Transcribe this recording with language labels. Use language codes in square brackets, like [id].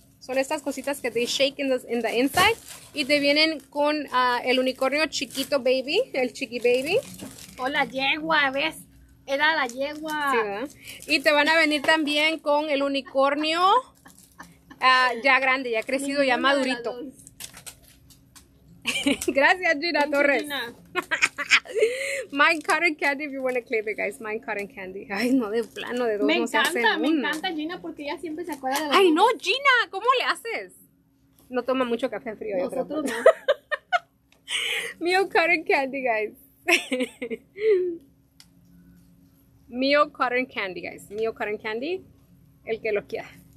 [es] Son estas cositas que [en] they shake in the inside. [es] Y te vienen con el unicornio chiquito baby, el chiqui baby. O la yegua, ¿ves? Era la yegua. Sí, ¿verdad? Y te van a venir también con el unicornio ya grande, ya crecido, ya madurito. Gracias, Gina. Thank Torres. Gina. [en] Mine cotton candy, if you want to claim it, guys. [es] Mine cotton candy. Ay, no, de plano, de dos. Me encanta, me encanta Gina porque ella siempre se acuerda de la. Ay, no, Gina, ¿cómo le haces? No toma mucho café frío. Nosotros no. Mio cotton candy, guys. Mio cotton candy, guys. Mio cotton candy, el que lo quiera.